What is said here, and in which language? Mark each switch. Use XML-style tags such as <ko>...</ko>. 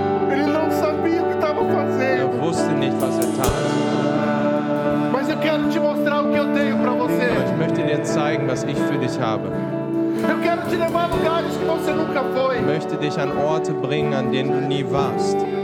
<pt>Ele não sabia o que estava fazendo.</pt> <de>Er wusste nicht, was tat.</de> <pt>Mas eu quero te mostrar o que eu tenho para você.</pt> <de>Ich möchte dir zeigen, was ich für dich habe.</de> <pt>Eu quero te levar a lugares que você nunca foi.</pt> <de>Ich möchte dich an Orte bringen, an denen du nie warst.</de>